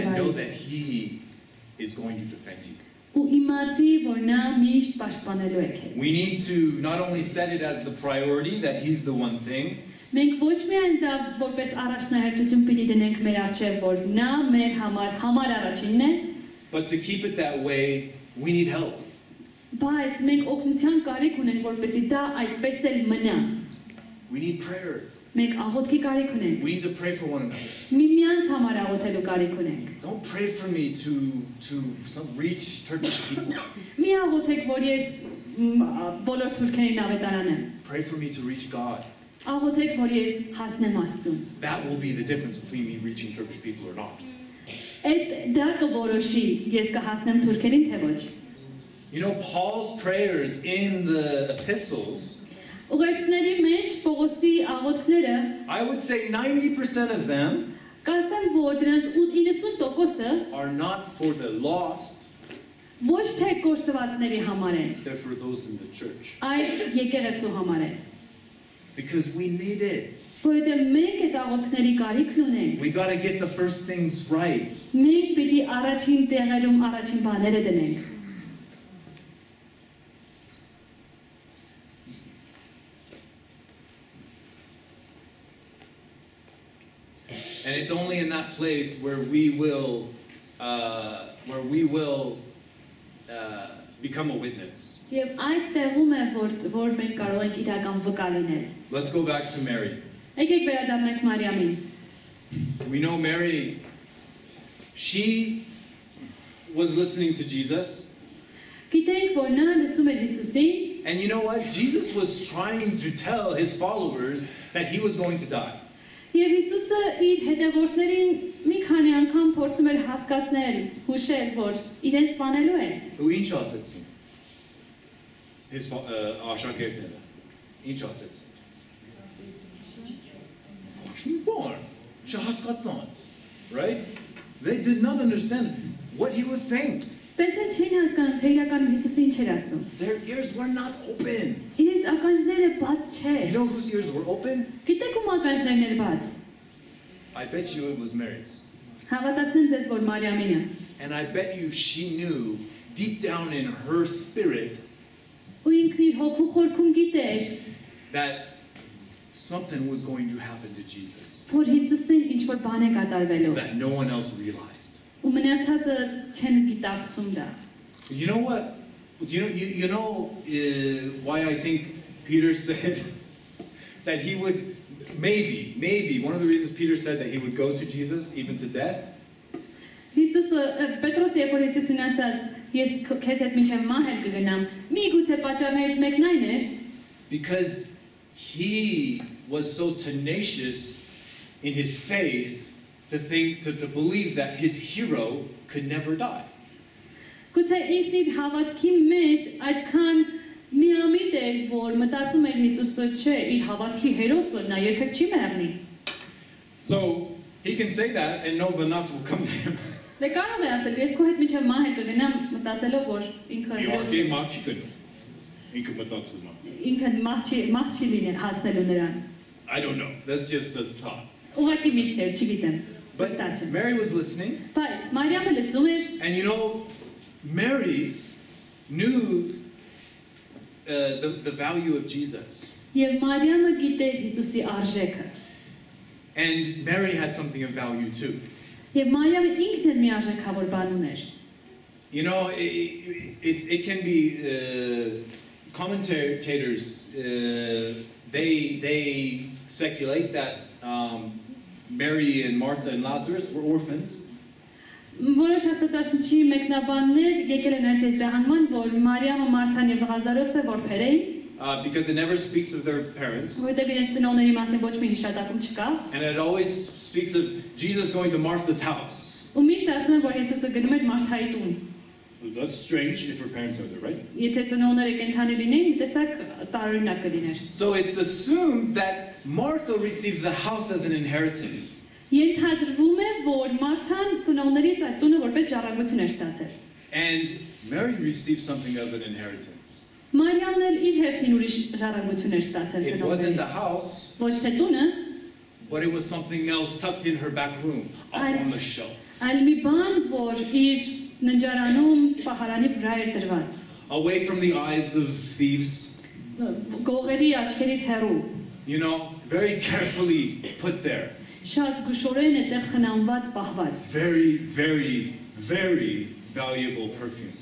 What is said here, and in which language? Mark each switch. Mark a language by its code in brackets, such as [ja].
[hy] բայց։ [en] And know that he is going to defend you. [hy] Ու իմացի, որ նա միշտ պաշտպանելու է քեզ։ [en] We need to not only set it as the priority that he's the one thing. [hy] Մենք ոչ միայն դա որպես առաջնահերթություն պիտի դնենք մեր առջև, որ նա մեր համար առաջինն է։ [en] But to keep it that way, we need help. [hy] Բայց մենք օգնության կարիք ունենք, որպեսզի դա այդպես էլ մնա։ [en] We need prayer. [hy] Մենք աղոթքի կարիք ունենք։ [en] We need to pray for one another. [hy] Միմյանց համար աղոթելու կարիք ունենք։ [en] Don't pray for me to some rich Turkish people. [hy] Մի աղոթեք, որ ես բոլոր թուրքերին ավետարանեմ։ [en] Pray for me to reach God. [hy] Աղոթեք, որ ես հասնեմ Աստծուն։ [en] That will be the difference between me reaching Turkish people or not. [hy] Այդ դա կորոշի, ես կհասնեմ թուրքերին թե ոչ։ [en] You know Paul's prayers in the epistles. [hy] Ուղեցների մեջ Պողոսի աղոթքները [en] I would say 90% of them [hy] կասեմ որ դրանց 90%-ը [en] are not for the lost [hy] ոչ թե կորսվածների համար են [en] they're for those in the church [hy] այլ եկեղեցու համար են [en] because we need it [hy] որտե մենք այդ աղոթքների կարիքն ունենք [en] we got to get the first things right [hy] մենք պիտի առաջին տեղերում առաջին բաները դնենք [en] And it's only in that place where we will become a witness. [hy] Եվ այդ տեղում է որ մենք կարող ենք իրական վկա լինել. [en] Let's go back to Mary. [hy] Եկեք վերադառնանք Մարիամին. [en] We know Mary she was listening to Jesus. [hy] Գիտեք որ նա լսում էր Հիսուսին. [en] And you know what? Jesus was trying to tell his followers that he was going to die. [hy] Եվ Հիսուսը իր հետևորդներին մի քանի անգամ փորձում էր հասկացնել, հուշել, որ իրեն սպանելու է։ Ու ինչ ասացին։ Իս աշակերտները։ Ինչ ասացին։ Ոչնչ։ Չհասկացան։ [en] Right? They did not understand what he was saying. [hy] Պետք է չեն հասկանում, թե իրականում Հիսուսը ինչ էր ասում։ [en] Their ears were not open. [hy] Իրենց ականջները բաց չէ։ [en] You know whose ears were open? [hy] Գիտեք ո՞ւմ ականջներն էր բաց։ [en] I bet you it was Mary's. [hy] Հավատացնեմ ձեզ, որ Մարիամինը։ [en] And I bet you she knew deep down in her spirit. [hy] Ու ինքն իր հոգու խորքում գիտեր։ [en] That something was going to happen to Jesus. [hy] Որ Հիսուսը ինչ որ բան է կատարվելու։ [en] That no one else realized. [hy] Ու մնացածը չեն գիտակցում դա։ [en] You know what? Why I think Peter said that he would maybe one of the reasons Peter said that he would go to Jesus even to death. [hy] Հիսուսը Պետրոսի երբ որ Հիսուսն ասաց, ես քեզ հետ միջև մահ եմ կգնամ, մի գուցե պատճառներից մեկն այն էր, [en] because he was so tenacious in his faith to think to believe that his hero could never die. [hy] Գուցե ինքն իր հավատքի մեջ այդքան միամիտ էր, որ մտածում էր Հիսուսը չէ, իր հավատքի հերոսը նա երբեք չի մեռնի. [en] So he can say that and no one else will come to him. [hy] Դե կարո՞ղ է ասել, ես քո հետ միջև մահ եմ կգնամ, մտածելով որ ինքը հերոս է։ Ես մահ չի գնա։ Ինքը մտածում է։ Ինքը մահ չի լինի հասնելու նրան։ [en] I don't know. That's just a thought. [hy] Ուղղակի միտքեր չի գիտեմ։ [en] But Mary was listening. [hy] Բայց Մարիամը լսում էր։ [en] And you know, Mary knew the value of Jesus. [hy] Եվ Մարիամը գիտեր Հիսուսի արժեքը։ [en] And Mary had something of value too. [hy] Եվ Մարիամը ինքն էլ մի արժեքավոր բան ուներ։ [en] You know, it can be commentators they speculate that Mary and Martha and Lazarus were orphans. [hy] Որոշ հաստատացուցիչի մեկնաբաններ եկել են այս եզրահանգման, որ Մարիամը, Մարթան եւ Ղազարոսը որբեր էին։ [en] Because it never speaks of their parents. And it always speaks of Jesus going to Martha's house. That's strange if her parents are there, right? So it's assumed that Martha received the house as an inheritance. And Mary received something of an inheritance. [hy] Մարիամն էլ իր հերթին ուրիշ ժառանգություններ ստացել ծնողներից։ Ոչ թե տունը, [en] but it was something else tucked in her back room, up on the shelf. [hy] Այն մի բան, որ իր ննջարանում պահարանի վրա էր դրված։ [en] Away from the eyes of thieves. [hy] Գողերի աչքերից հեռու։ [en] You know, very carefully put there. [hy] Շատ զգուշորեն այդտեղ խնամված, պահված։ [en] Very, very, very valuable perfume.